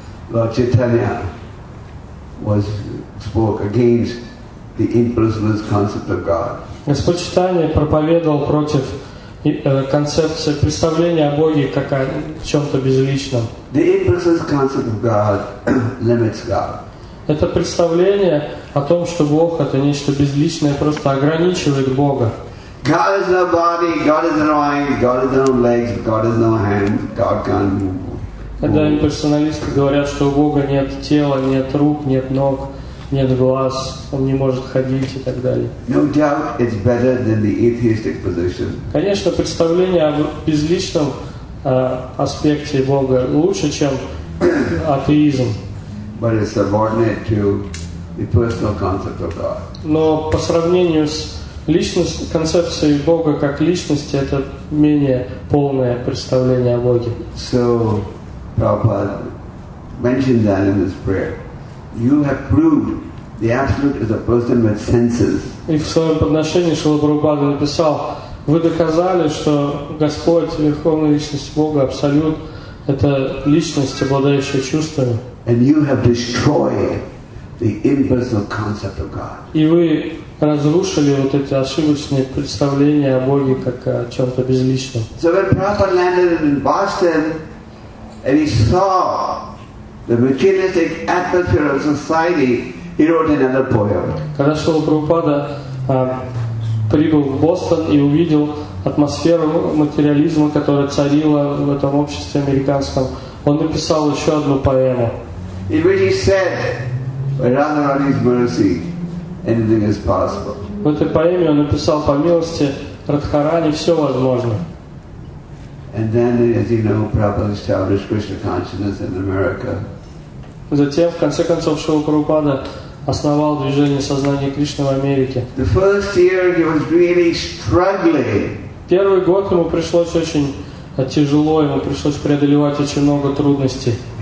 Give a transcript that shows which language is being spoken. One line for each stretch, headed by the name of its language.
English: Lord Chaitanya spoke against the impersonalist concept of God.
Russian: Господь Чайтанья проповедовал против концепция представления о Боге как о чем-то безличном.
English: The impersonalist concept of God limits God.
Russian: Это представление о том, что Бог — это нечто безличное, просто ограничивает Бога.
English: God is no body, God is no mind, God is no legs, God is no hand, God can't move.
Russian: Когда имперсоналисты говорят, что у Бога нет тела, нет рук, нет ног, нет глаз, он не может ходить и так далее.
English: No doubt it's better than the atheistic position.
Russian: Конечно, представление о безличном аспекте Бога лучше, чем атеизм.
English: But it's subordinate to the personal concept of God.
Russian: Но по сравнению с личностью, концепцией Бога как личности, это менее полное представление о Боге.
English: So Prabhupada mentioned that in his prayer. You have proved the absolute is a person with senses.
Russian: И в своем подношении Шрила Прабхупада написал: вы доказали, что Господь, верховная личность Бога, абсолют, это личность, обладающая чувствами.
English: And you have destroyed the impersonal concept of God.
Russian: И вы разрушили вот эти ошибочные представления о Боге как о чем-то безличном.
English: So when Prabhupada landed in Boston and he saw the materialistic atmosphere of society, he wrote another poem.
Russian: Когда Шрила Прабхупада прибыл в Бостон и увидел атмосферу материализма, которая царила в этом обществе американском, он написал еще одну поэму.
English: In which he said, "By Radharani's mercy, anything is possible."
Russian: В этой поэме он написал: по милости Радхарани все возможно.
English: And then, as you know, Prabhupada established Krishna consciousness in America.
Russian: Затем, в конце концов, Шрила Прабхупада основал движение сознания Кришны в Америке.
English: The first year he was really struggling.
Russian: Первый год ему пришлось очень тяжело, ему пришлось преодолевать очень много трудностей.